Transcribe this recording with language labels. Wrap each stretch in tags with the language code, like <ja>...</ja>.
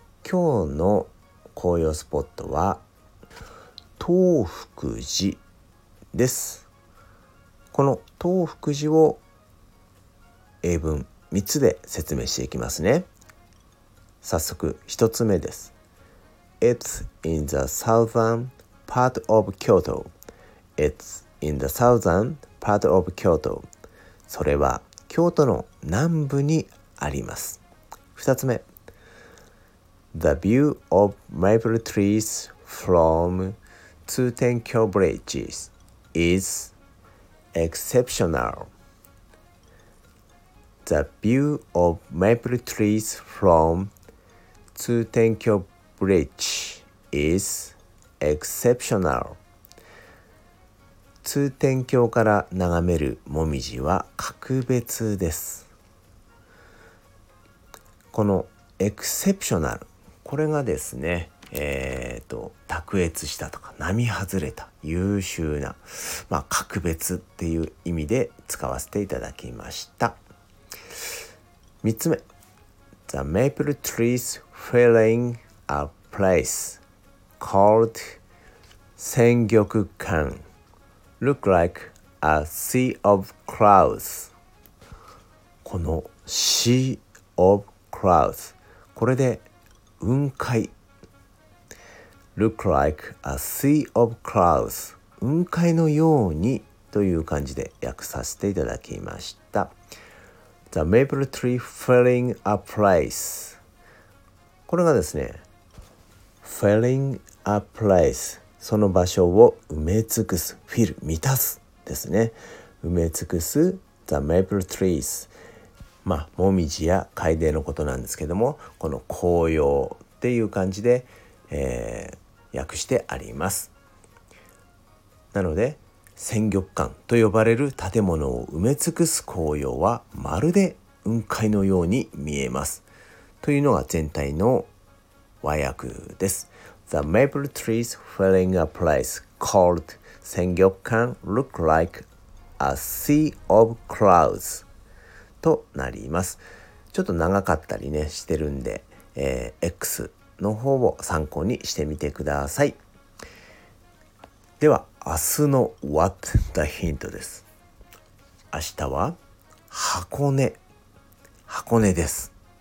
<ja>今日の紅葉スポットは東福寺です。この東福寺を英文3つで説明していきますね。早速1つ目です。</ja> <en>It's in the southern part of Kyoto. It's in the southern part of Kyoto.</en> <ja>それは京都の南部にあります。 2つ目、</ja> <en>The view of maple trees from Tsutenkyo Bridge is exceptional. The view of maple trees from Tsutenkyo Bridge is exceptional.</en> <ja>Tsutenkyo から眺めるもみじは格別です。この exceptional、 これがですね、卓越したとか並外れた優秀な、まあ、格別っていう意味で使わせていただきました。 3つ目、</ja> <en>The maple trees filling a place called 仙玉館 look like a sea of clouds.</en> <ja>この</ja> <en>sea of clouds、</en> <ja>これで雲海、</ja> <en>Look like a sea of clouds.</en> <ja>雲海のようにという感じで訳させていただきました。</ja> <en>The maple tree filling a place.</en> <ja>これがですね、</ja> <en>filling a place.</en> <ja>その場所を埋め尽くす、fill、満たすですね。埋め尽くす</ja> <en>the maple trees。</en> <ja>まあ、もみじや楓のことなんですけども、この紅葉っていう感じで、訳してあります。なので仙玉館と呼ばれる建物を埋め尽くす紅葉はまるで雲海のように見えますというのが全体の和訳です。</ja> <en>The maple trees filling a place called 仙玉館 look like a sea of clouds</en> <ja>となります。ちょっと長かったりねしてるんで、Xの方を参考にしてみてください。では明日の What the Hint です。明日は箱根です。</ja>